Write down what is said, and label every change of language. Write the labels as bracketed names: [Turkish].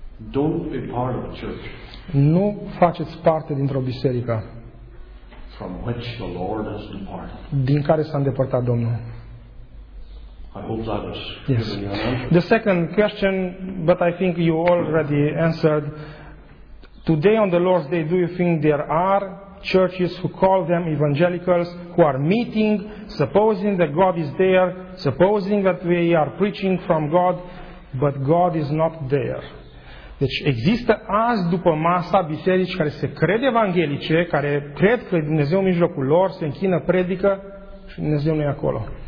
[English] Don't be part of a church. [Romanian] Nu faceți parte dintr-o biserică. [English] from which the Lord has departed. [Romanian] Din care s-a îndepărtat Domnul. [English] I hope that was yes. The second question, but I think you already answered. Today on the Lord's Day, do you think there are churches who call them evangelicals, who are meeting, supposing that God is there, supposing that we are preaching from God, but God is not there? [Romanian] Deci există azi după masa biserici care se cred evanghelice, care cred că Dumnezeu în mijlocul lor, se închină, predică și Dumnezeu nu e acolo.